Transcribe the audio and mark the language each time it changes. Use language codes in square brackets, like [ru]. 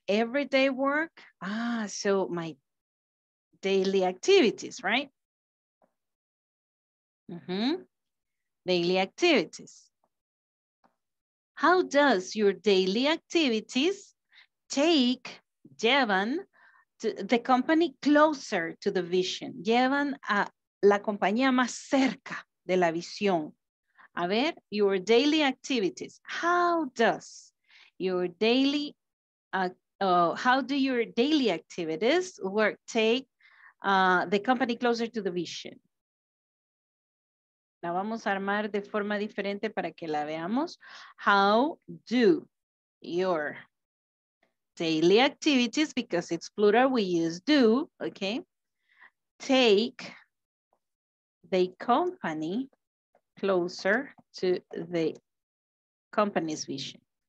[en] Everyday work? Ah, so my daily activities, right? Mm-hmm. Daily activities. How does your daily activities take Jevan the company closer to the vision? [es] Llevan a la compañía más cerca de la visión. A ver, [en] your daily activities. How does your daily, how do your daily activities work take the company closer to the vision? [es] La vamos a armar de forma diferente para que la veamos. [en] How do your daily activities, because it's plural, we use do, okay? Take the company closer to the company's vision.